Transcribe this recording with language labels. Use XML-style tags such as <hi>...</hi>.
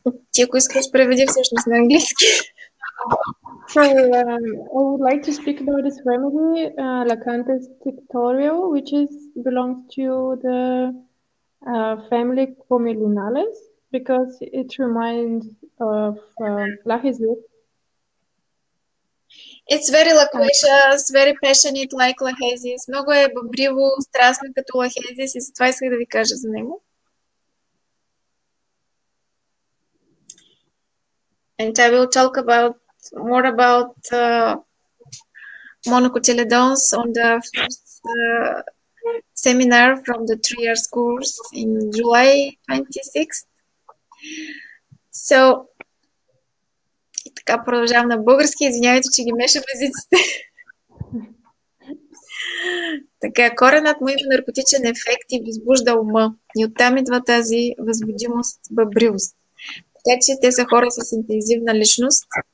<bg>Ти ако искаш, преведи всъщност на английски.</bg> <en>So, I would like to speak about this remedy, Lactantis tinctorial, which is belongs to the family Comelinales, because it reminds of Lachesis. It's very loquacious, very passionate, like Lachesis.</en> <bg>Много е бъбриво, страстно като Lachesis и затова исках да ви кажа за него.</bg> <en>And I will talk about more about monocotyledons on the first seminar from the 3 years course in July 26th.</en> <bg>So, така продължавам на български. Извинявайте, че ги меша в езиците. Така, коренът му има наркотичен ефект и възбужда ума. И оттам идва тази възбудимост, бъбривост. Така че те са хора с интензивна личност.</bg>